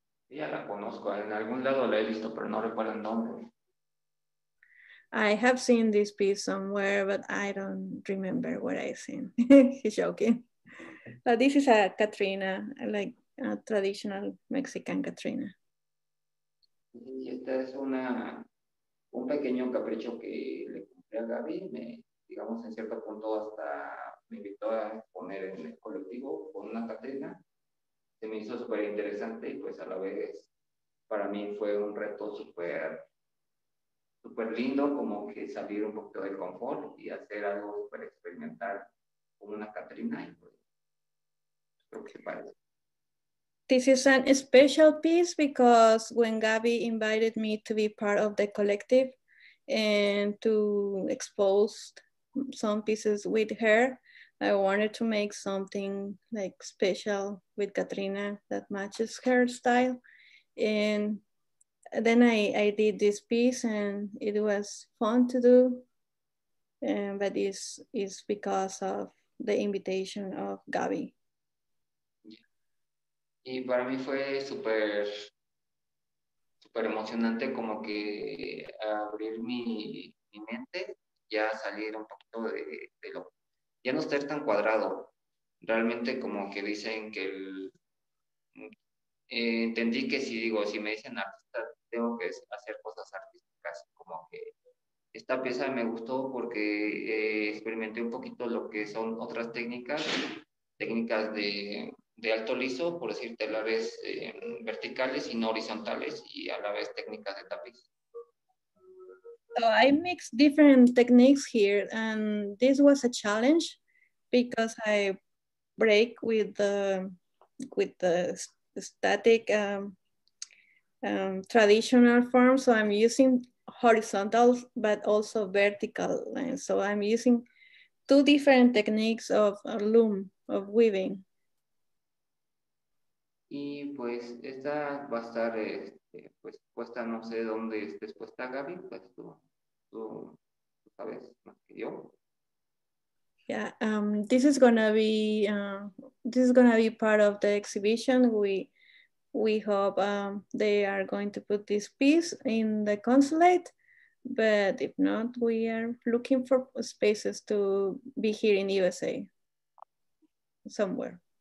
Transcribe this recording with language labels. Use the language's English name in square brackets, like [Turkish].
[Spanish] Ya la conozco, en algún lado la he visto, pero no recuerdo el nombre. [English] I have seen this piece somewhere, but I don't remember what I seen. He's joking. But this is a Katrina, like a traditional Mexican Katrina. [Spanish] Y esta es un pequeño capricho que le compré a Gaby. Me, digamos, en cierto punto hasta me invitó a poner en el colectivo con una Katrina. Se me hizo súper interesante y pues a la vez para mí fue un reto súper lindo, como que salir un poquito del confort y hacer algo para experimentar con una Katrina. Creo que parece. [English] This is a special piece because when Gaby invited me to be part of the collective and to expose some pieces with her, I wanted to make something like special with Katrina that matches her style. And then I did this piece and it was fun to do, but this is because of the invitation of Gaby. [Spanish] Y para mí fue super, super emocionante como que abrir mi mente, ya salir un poquito de lo, ya no estar tan cuadrado, realmente como que dicen que entendí que si me dicen artista, tengo que hacer cosas artísticas, como que esta pieza me gustó porque experimenté un poquito lo que son otras técnicas de alto liso, por decir, telares verticales y no horizontales, y a la vez técnicas de tapiz. [English] So I mixed different techniques here, and this was a challenge because I break with the static traditional form, so I'm using horizontal but also vertical lines. So I'm using two different techniques of loom, of weaving. [Spanish] Y pues esta va a estar pues puesta, no sé dónde estés puesta, Gaby, pues tú sabes más que yo. [English] Yeah, this is gonna be part of the exhibition. We hope they are going to put this piece in the consulate, But if not, we are looking for spaces to be here in USA somewhere.